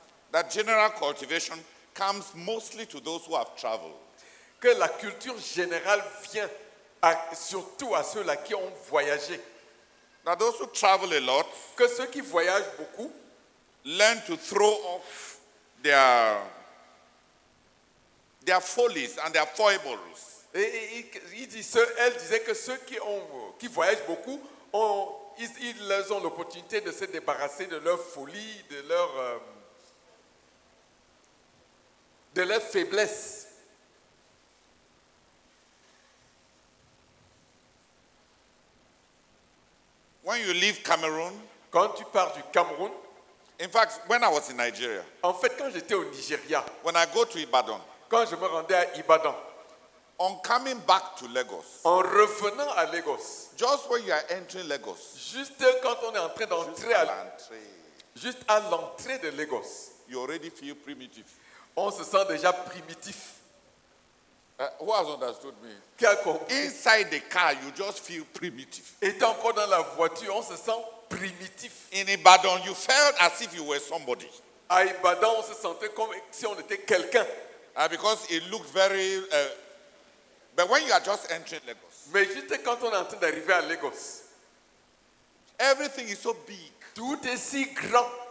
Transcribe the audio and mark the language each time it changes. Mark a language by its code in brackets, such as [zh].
[en] That general cultivation comes mostly to those who have traveled. [fr] Que la culture générale vient surtout à ceux-là qui ont voyagé. [en] That those who travel a lot. [fr] Que ceux qui voyagent beaucoup. [en] Learn to throw off their follies and their foibles. [fr] Elle disait que ceux qui voyagent beaucoup, ils ont l'opportunité de se débarrasser de leur folie, de leur faiblesse. [en] When you leave Cameroon, [fr] quand tu pars du Cameroun, [en] in fact, when I was in Nigeria, [fr] en fait, quand j'étais au Nigeria, [en] when I go to Ibadan, [fr] quand je me rendais à Ibadan. [en] On coming back to Lagos. [fr] En revenant à Lagos. [en] Just when you are entering Lagos. [fr] Juste quand on est en train d'entrer à l'entrée. Juste à l'entrée de Lagos. [en] You already feel primitive. [fr] On se sent déjà primitif. [en] Who has understood me? [fr] Qui a compris? [en] Inside the car, you just feel primitive. [fr] Et encore dans la voiture, on se sent primitif. [en] In Ibadan, you felt as if you were somebody. [fr] À Ibadan, on se sentait comme si on était quelqu'un. [en] Because it looked very. But when you are just entering Lagos. [fr] Mais juste quand on est en train d'arriver à Lagos. [en] Everything is so big. [fr] Tout est si grand.